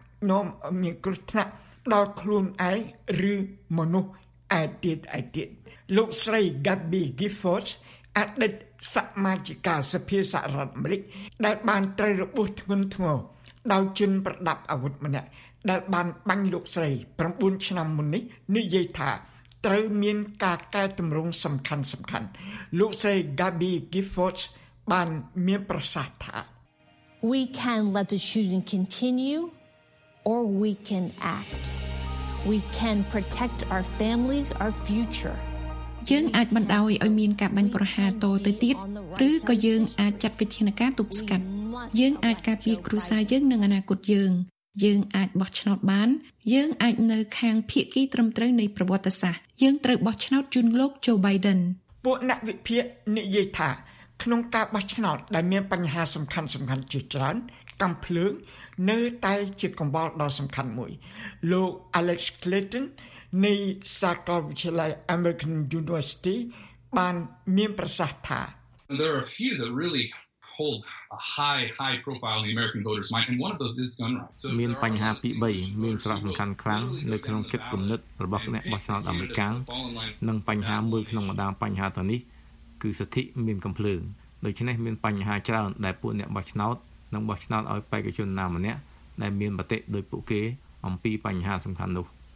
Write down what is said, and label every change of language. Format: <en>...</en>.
<km>នុមមានគ្រោះថ្នាក់ដល់ខ្លួនឯងឬមនុស្សឯទៀតឯទៀតលោកស្រី Gabby Giffords អតីតសមាជិកាសភាសហរដ្ឋអាមេរិកដែលបានត្រូវរបួសធ្ងន់ធ្ងរដោយជនប្រដាប់អាវុធម្នាក់ដែលបានបាញ់លោកស្រី9ឆ្នាំមុននេះនិយាយថាត្រូវមានការកែតម្រង់សំខាន់សំខាន់លោកស្រី Gabby Giffords បានមានប្រសាសន៍ថា</km> <en>We can let the shooting continue or we can act. We can protect our families, our future.</en> <km>យើងអាចបណ្ដោយឲ្យមានការបាញ់ប្រហារតទៅទៀតឬក៏យើងអាចចាត់វិធានការទប់ស្កាត់យើងអាចការពារគ្រួសារយើងនិងអនាគតយើងយើងអាចបោះឆ្នោតបានយើងអាចនៅខាងភាគីត្រឹមត្រូវនៃប្រវត្តិសាស្ត្រយើងត្រូវបោះឆ្នោតជូនលោក Joe Biden ពួកអ្នកវិភាគនិយាយថាក្នុងការបោះឆ្នោតដែលមានបញ្ហាសំខាន់សំខាន់ជាច្រើនកំភ្លើងនៅតែជាកង្វល់ដ៏សំខាន់មួយលោក Alex Clinton នៃសាកលវិទ្យាល័យ American University បានមានប្រសាសន៍ថា</km> <en>There are a few that really hold a high profile in the American voters mind and one of those is gun rights.</en> <km>មានបញ្ហាទី3មានសារៈសំខាន់ខ្លាំងនៅក្នុងចិត្តគំនិតរបស់អ្នកបោះឆ្នោតអាមេរិកនិងបញ្ហាមួយក្នុងម្ដងបញ្ហាទៅនេះគឺសិទ្ធិមានកំភ្លើងដូច្នេះមានបញ្ហាច្រើនដែលពួកអ្នកបោះឆ្នោតនឹងបោះឆ្នោតឲ្យបេក្ខជនណាម្នាក់ដែលមានមតិដោយពួកគេអំពីបញ្ហាសំខាន់នោះ</km>